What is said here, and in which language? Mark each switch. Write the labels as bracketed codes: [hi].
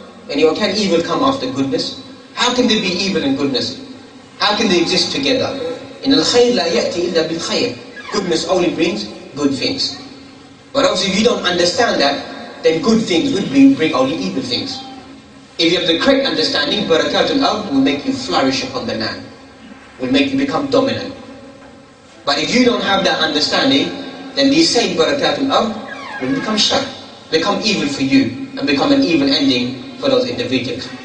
[en] Anyway, can evil come after goodness? How can there be evil and goodness? How can they exist together? [ar] إن الخير لا يأتي إلا بالخير. [en] Goodness only brings good things. But obviously, if you don't understand that, then good things would bring only evil things. If you have the correct understanding, barakat al-ard will make you flourish upon the land, will make you become dominant. But if you don't have that understanding, then these same barakat al-ard will become shar, become evil for you, and become an evil ending for those individuals.